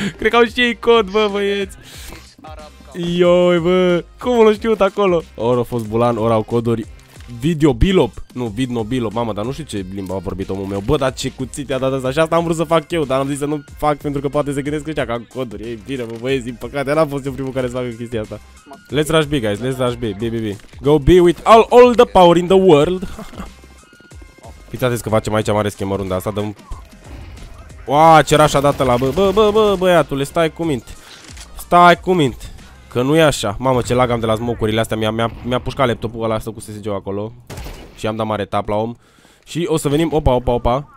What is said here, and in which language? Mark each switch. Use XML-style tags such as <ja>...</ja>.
<ro>Cred că au și ei cod, bă, băieți. Ioi, bă. Cum l-o știut acolo? Ori a fost bulan, ori au coduri. Video Bilop, nu, Vidno Bilop, mamă, dar nu știu ce limba a vorbit omul meu. Bă, dar ce cuțit i-a dat asta, și asta am vrut să fac eu, dar am zis să nu fac pentru că poate se gândesc ăștia că am coduri. Ei, bine, bă, băieți, din păcate, n-am fost eu primul care să facă chestia asta.</ro> <en>Let's rush B, guys, let's rush B, B, B, B. Go B with all the power in the world.</en> <ro>Fiți atenți că facem aici mare schemă runda asta, dăm. Uaa, ce rush a dat ăla, bă, bă, bă, bă, băiatule, stai cu mint. Stai cu mint. Că nu e așa. Mamă, ce lag am de la smoke-urile astea. Mi-a pușcat laptopul ăla ăsta cu SSG-ul acolo. Și am dat mare tap la om. Și o să venim. Opa, opa, opa.</ro>